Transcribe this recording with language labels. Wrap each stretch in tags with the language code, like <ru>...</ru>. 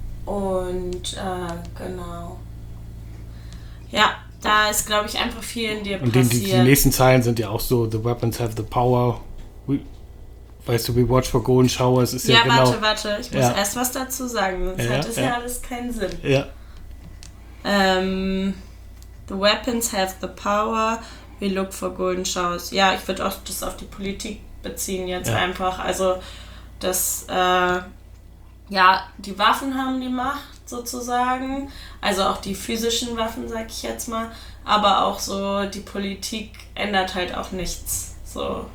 <de>Und genau. Ja, da ist, glaube ich, einfach viel in dir und passiert. Und die nächsten Zeilen sind ja auch so,</de> <en>the weapons have the power.</en> <de>Weißt du,</de> <en>we watch for golden showers.</en> <de>Ist ja genau... Ja, warte, ich muss erst was dazu sagen, sonst hat es ja alles keinen Sinn. Ja.</de> <en>The weapons have the power, we look for golden showers.</en> <de>Ja, ich würde auch das auf die Politik beziehen jetzt einfach. Also, dass die Waffen haben die Macht sozusagen, also auch die physischen Waffen, sag ich jetzt mal, aber auch so die Politik ändert halt auch nichts. So.</de>